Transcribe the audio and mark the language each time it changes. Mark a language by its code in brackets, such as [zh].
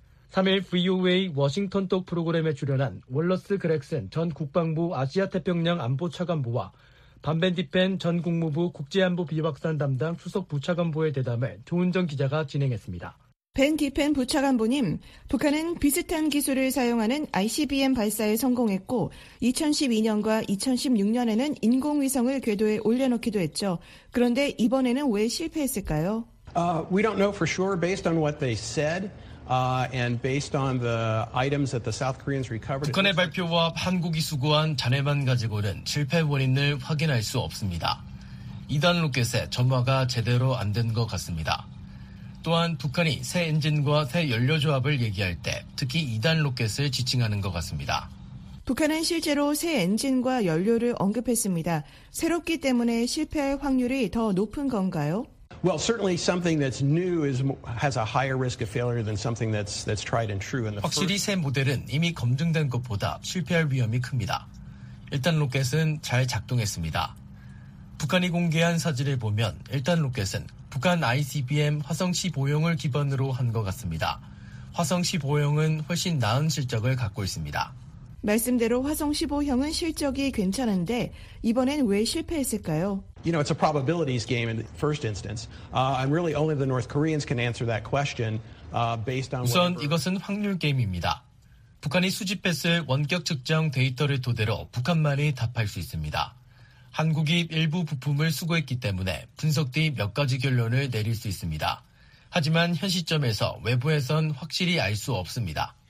[ko] 3일 VOA 워싱턴 톡 프로그램에 출연한 월러스 그렉슨 전 국방부 아시아태평양 안보차관보와 반벤디펜 전 국무부 국제안보 비확산 담당 수석부차관보의 대담을 조은정 기자가 진행했습니다. 벤디펜 부차관보님, 북한은 비슷한 기술을 사용하는 ICBM 발사에 성공했고 2012년과 2016년에는 인공위성을 궤도에 올려놓기도 했죠. 그런데 이번에는 왜 실패했을까요? [en] We don't know for sure based on what they said. And based on the items that the South Koreans recovered, [ko] 북한의 발표와 한국이 수거한 잔해만 가지고는 실패 원인을 확인할 수 없습니다. 2단 로켓의 점화가 제대로 안 된 것 같습니다. 또한 북한이 새 엔진과 새 연료조합을 얘기할 때 특히 2단 로켓을 지칭하는 것 같습니다. 북한은 실제로 새 엔진과 연료를 언급했습니다. 새롭기 때문에 실패할 확률이 더 높은 건가요? [en] Well, certainly something that's new is has a higher risk of failure than something that's tried and true. [ko] 확실히 새 모델은 이미 검증된 것보다 실패할 위험이 큽니다. 1단 로켓은 잘 작동했습니다. 북한이 공개한 사진을 보면 1단 로켓은 북한 ICBM 화성 15형을 기반으로 한 것 같습니다. 화성 15형은 훨씬 나은 실적을 갖고 있습니다. 말씀대로 화성 15형은 실적이 괜찮은데 이번엔 왜 실패했을까요? [en] You know, it's a probabilities game in the first instance. And really only the North Koreans can answer that question based on [ko] 우선 이것은 확률 게임입니다. 북한이 수집했을 원격 측정 데이터를 토대로 북한만이 답할 수 있습니다. 한국이 일부 부품을 수거했기 때문에 분석 뒤 몇 가지 결론을 내릴 수 있습니다. 하지만 현 시점에서 외부에선 확실히 알 수 없습니다.